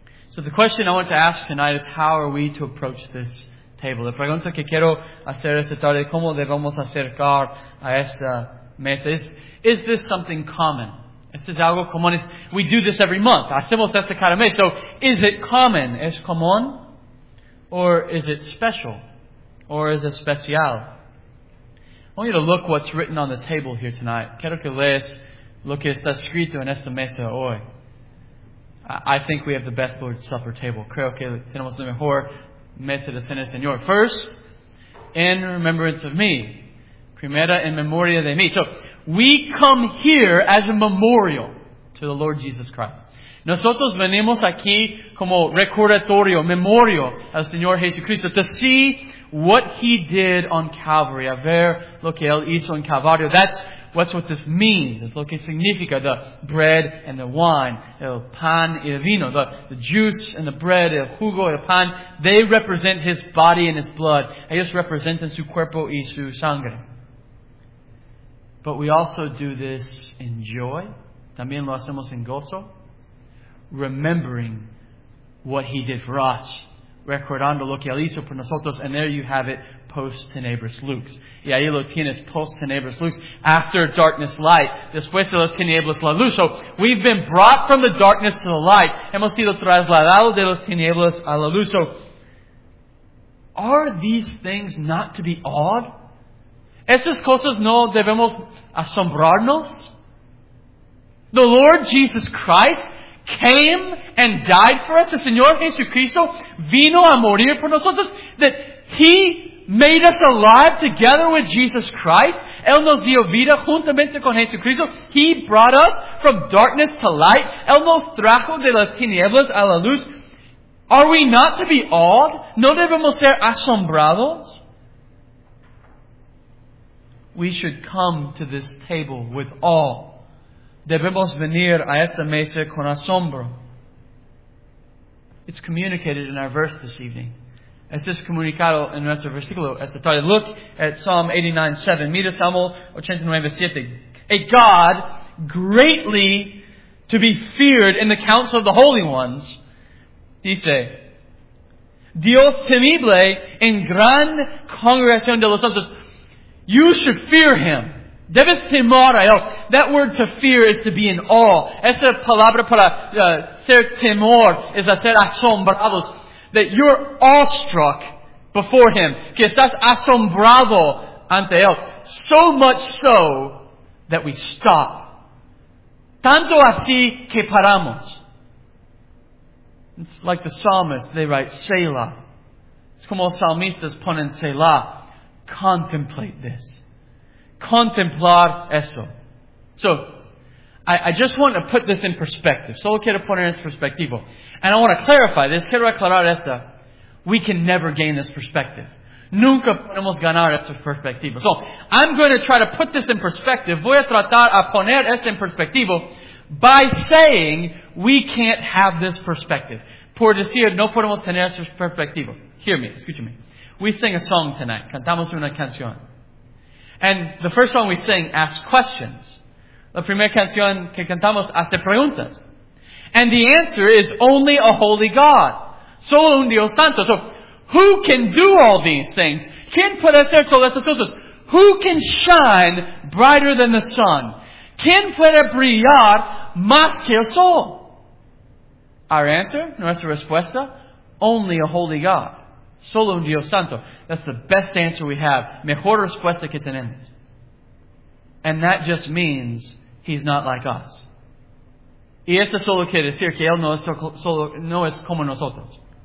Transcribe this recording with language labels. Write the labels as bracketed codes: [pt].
[en] So the question I want to ask tonight is how are we to approach this table. [es] La pregunta que quiero hacer esta tarde es cómo debemos acercar a esta mesa. [en] Is this something common? [es] ¿Esto es algo común? [en] We do this every month. [es] Hacemos esta cada mes. [en] So, is it common? [es] ¿Es común? [en] Or is it special? Or is it especial? I want you to look what's written on the table here tonight. [es] Quiero que leas lo que está escrito en esta mesa hoy. [en] I think we have the best Lord's Supper table. [es] Creo que tenemos lo mejor mesa de cena, Señor. [en] First, in remembrance of me. [es] Primera, en memoria de mí. [en] So, we come here as a memorial to to the Lord Jesus Christ. [es] Nosotros venimos aquí como recordatorio, memorio al Señor Jesucristo, [en] to see what He did on Calvary, [es] a ver lo que Él hizo en Calvario. [en] That's what this means. It's [es] lo que significa, [en] the bread and the wine, [es] el pan y el vino. [en] The juice and the bread, [es] el jugo, el pan, [en] they represent His body and His blood. [es] Ellos representan su cuerpo y su sangre. [en] But we also do this in joy. [es] También lo hacemos en gozo. [en] Remembering what He did for us. [es] Recordando lo que Él hizo por nosotros. [en] And there you have it, post tenebris lux. [es] Y ahí lo tienes, post tenebris lux. [en] After darkness, light. [es] Después de las tinieblas, la luz. [en] So we've been brought from the darkness to the light. [es] Hemos sido trasladados de las tinieblas a la luz. [en] So are these things not to be awed? [es] ¿Esas cosas no debemos asombrarnos? [en] The Lord Jesus Christ came and died for us. [es] El Señor Jesucristo vino a morir por nosotros. [en] That He made us alive together with Jesus Christ. [es] Él nos dio vida juntamente con Jesucristo. [en] He brought us from darkness to light. [es] Él nos trajo de las tinieblas a la luz. [en] Are we not to be awed? [es] ¿No debemos ser asombrados? [en] We should come to this table with awe. [es] Debemos venir a esta mesa con asombro. [en] It's communicated in our verse this evening. [es] Es es comunicado en nuestro versículo esta tarde. [en] Look at Psalm 89:7. [es] Mira Salmo 89:7. [en] A God greatly to be feared in the council of the holy ones. [es] Dice, Dios temible en gran congregación de los santos. [en] You should fear Him. [es] Debes temor a Él. [en] That word to fear is to be in awe. [es] Esa palabra para ser temor es hacer asombrados. [en] That you're awestruck before Him. [es] Que estás asombrado ante Él. [en] So much so that we stop. [es] Tanto así que paramos. [en] It's like the psalmist, they write Selah. [es] It's como los salmistas ponen Selah. [en] Contemplate this. [es] Contemplar esto. [en] So, I just want to put this in perspective. [es] Solo quiero poner en perspectivo. [en] And I want to clarify this. [es] Quiero aclarar esto. [en] We can never gain this perspective. [es] Nunca podemos ganar esta perspectiva. [en] So, I'm going to try to put this in perspective. [es] Voy a tratar a poner esto en perspectivo [en] by saying we can't have this perspective. [es] Por decir, no podemos tener esta perspectiva. [en] Hear me. [es] Escúchame. [en] We sing a song tonight. [es] Cantamos una canción. [en] And the first song we sing asks questions. [es] La primera canción que cantamos hace preguntas. [en] And the answer is only a holy God. [es] Solo un Dios Santo. [en] So, who can do all these things? [es] ¿Quién puede hacer todas estas cosas? [en] Who can shine brighter than the sun? [es] ¿Quién puede brillar más que el sol? [en] Our answer, [es] nuestra respuesta, [en] only a holy God. [es] Solo un Dios Santo. [en] That's the best answer we have. [es] Mejor respuesta que tenemos. [en] And that just means He's not like us. [es] Y esto solo quiere decir que Él no es como nosotros.